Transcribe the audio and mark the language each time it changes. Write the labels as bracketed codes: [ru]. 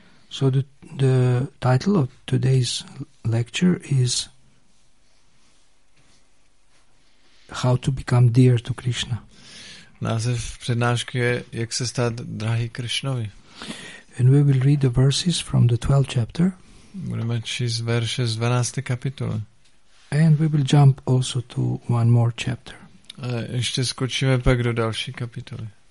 [en] So the title of today's lecture is How to become dear to Krishna. [cs] Název přednášky je, jak se stát drahý Krishnovi. [en] And we will read the verses from the 12th chapter. [cs] Budeme číst verše z 12. kapitoly. [en] And we will jump also to one more chapter. [cs] A ještě skočíme pak do další kapitoly.